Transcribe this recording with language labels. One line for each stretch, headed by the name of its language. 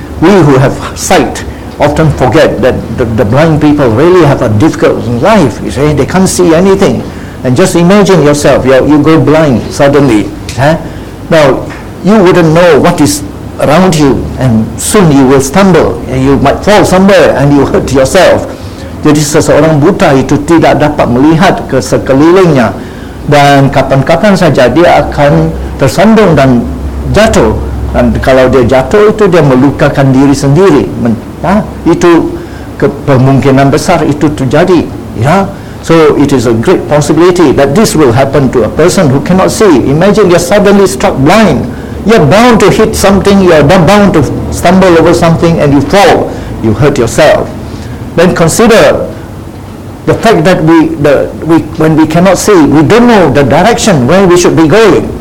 English: We who have sight often forget that the blind people really have a difficult life. You see, they can't see anything. And just imagine yourself, you go blind suddenly. Now, you wouldn't know what is around you, and soon you will stumble, and you might fall somewhere, and you hurt yourself.
Malay: Jadi seseorang buta itu tidak dapat melihat ke sekelilingnya, dan kapan-kapan saja dia akan tersandung dan jatuh. Dan kalau dia jatuh itu dia melukakan diri sendiri. Itu kemungkinan besar itu terjadi.
English: So it is a great possibility that this will happen to a person who cannot see. Imagine you're suddenly struck blind. You're bound to hit something, you're bound to stumble over something and you fall. You hurt yourself. Then consider the fact that when we cannot see, we don't know the direction where we should be going.